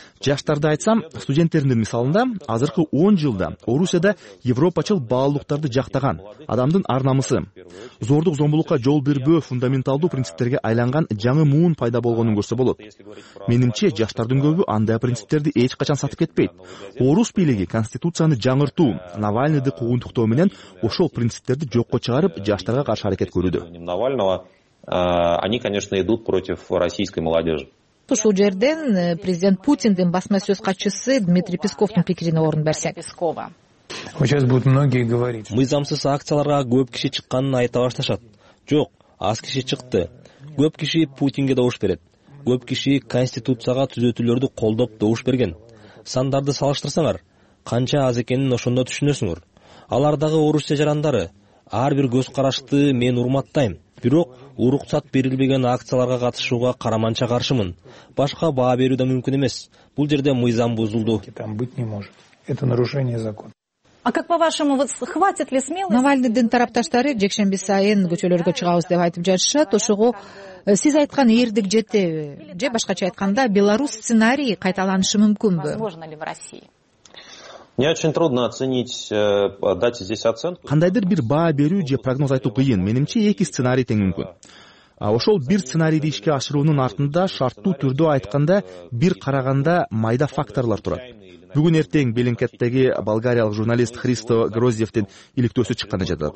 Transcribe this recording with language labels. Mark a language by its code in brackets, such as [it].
[ky] Жаштарды айтсам, студенттердин мисалында азыркы 10 жылда Орусияда европачыл баалуулуктарды жактаган адамдын ар-намысы, зордук зомбулукка жол бербөө фундаменталдуу принциптерге айланган жаңы муун пайда болгонун көрсө болот. Менимче, жаштардын көбү андай принциптерди эч качан сатып кетпейт. Орус бийлиги конституцияны жаңыртуу, Навальныйды куугунтуктоо менен ошол принциптерди жокко чыгарып, жаштарга каршы аракет көрүүдө. [ru] Навального, они, конечно, идут против российской молодежи. [ky] Ушул жерден президент Путиндин басма сөз катчысы Дмитрий Песковдун пикирине орун берсек. [ru] Сейчас будут многие говорить. [ky] Мыйзамсыз акцияларга көп киши чыкканын айта башташат. Жок, аз киши чыкты. Көп киши Путинге добуш берет. Көп киши конституцияга түзөтүүлөрдү колдоп добуш берген. Сандарды салыштырсаңар, канча аз экенин ошондо түшүнөсүңөр. Алардагы Орусия жарандары, ар бир көз карашты мен урматтайм. Бирок уруксат берилбеген акцияларга катышууга караманча каршымын. Башка баа берүү да мүмкүн эмес. Бул жерде мыйзам бузулду. [ru] Там быть не может. Это нарушение закона. А как по-вашему, вот хватит ли смелости? [ky] Навальныйдын тарапташтары жекшемби сайын көчөлөргө чыгабыз деп айтып жатышат. Ошого сиз айткан эрдик жетеби? Же башкача айтканда, Беларусь сценарий кайталанышы мүмкүнбү? [ru] Возможно ли в России? Мне очень трудно оценить, дать здесь оценку. [ky] Кандайдыр бир баа берүү же прогноз айтуу кыйын. Менимче, эки сценарий тең мүмкүн. Ошол бир сценарийди ишке ашыруунун артында шарттуу түрдө айтканда бир караганда майда факторлор турат. Бүгүн эртең Беленкеттеги болгариялык журналист Христо Гроздевтин иликтөөсү чыкканы жатат.